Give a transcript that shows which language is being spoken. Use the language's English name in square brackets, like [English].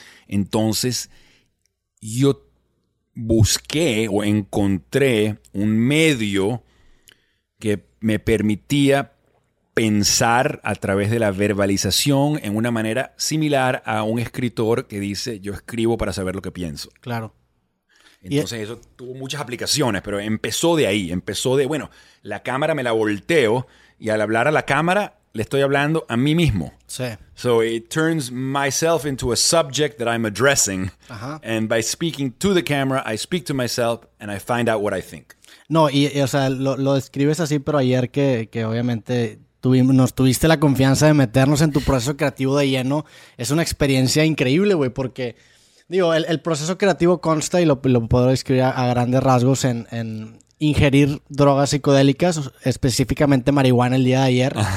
[Spanish] Entonces, yo busqué o encontré un medio que me permitía pensar a través de la verbalización en una manera similar a un escritor que dice, yo escribo para saber lo que pienso. Claro. Entonces eso tuvo muchas aplicaciones, pero empezó de ahí. Empezó de, bueno, la cámara me la volteo y al hablar a la cámara le estoy hablando a mí mismo. Sí. [English] So it turns myself into a subject that I'm addressing. Ajá. And by speaking to the camera, I speak to myself and I find out what I think. [Spanish] No, y o sea, lo describes así, pero ayer que obviamente nos tuviste la confianza de meternos en tu proceso creativo de lleno, es una experiencia increíble, güey, porque, digo, el proceso creativo consta, y lo puedo describir a grandes rasgos, en ingerir drogas psicodélicas, específicamente marihuana el día de ayer.